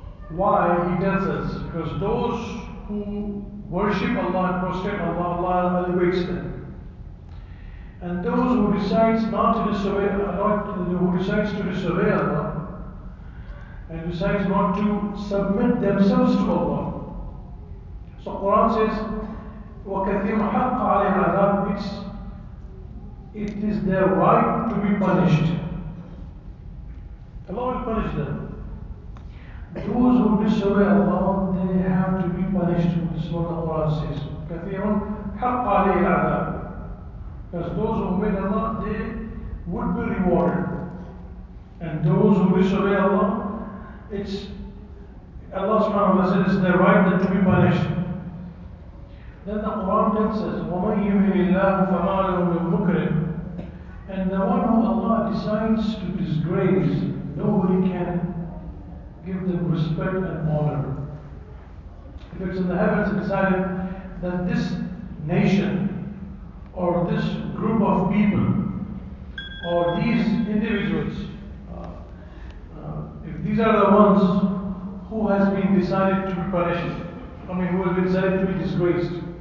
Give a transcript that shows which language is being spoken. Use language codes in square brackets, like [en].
[en] Why he tells us? Because those who worship Allah and prostrate Allah, Allah elevates them. And those who decides not to disobey, who decides to disobey Allah, and decides not to submit themselves to Allah. So Quran says, [ar] وَكَثِيرٌ حَقَّ عَلَيْهِ الْعَذَابُ. [en] It is their right to be punished. Allah will punish them. Those who disobey Allah, they have to be punished. This is what the Quran says. [ar] كَثِيرٌ حَقَّ عَلَيْهِ الْعَذَابُ. [en] Because those who obey Allah, they would be rewarded. And those who disobey Allah, it's Allah subhanahu wa ta'ala says it's their right then to be punished. Then the Quran then says, [ar] وَمَنْ يُهِنِ اللَّهُ فَمَا لَهُ مِنْ مُكْرِمٍ. [en] And the one who Allah decides to disgrace, nobody can give them respect and honor. If it's in the heavens decided that this nation or this group of people or these individuals, if these are the ones who has been decided to be punished, I mean who has been decided to be disgraced.